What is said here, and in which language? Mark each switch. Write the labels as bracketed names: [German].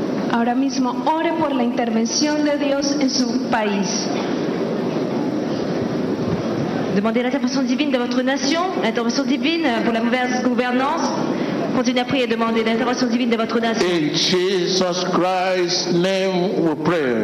[Spanish] Ahora mismo, ore por la intervención de Dios en su país. [French] Demandez l'intervention divine de votre nation, l'intervention divine pour la mauvaise gouvernance. Continuez à prier et demandez l'intervention divine de votre nation. [English] In Jesus Christ's name we pray.